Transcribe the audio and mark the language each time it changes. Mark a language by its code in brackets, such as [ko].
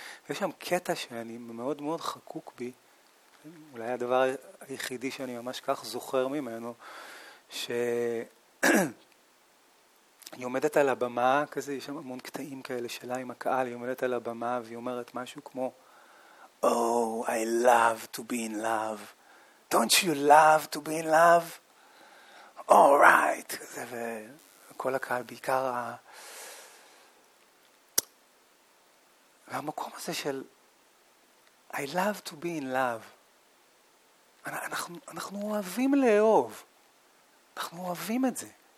[he] יש שם קטע שאני מאוד מאוד חקוק בי, אולי הדבר היחידי שאני ממש כך זוכר ממנו, שאני עומדת על הבמה כזה, יש שם המון קטעים כאלה שלה עם הקהל, היא עומדת על הבמה והיא אומרת משהו כמו, [en] Oh, I love to be in love. Don't you love to be in love? All right. [he] כזה, וכל הקהל, בעיקר והמקום הזה של [en] I love to be in love. [he] אנחנו אוהבים לאהוב. אנחנו אוהבים את זה.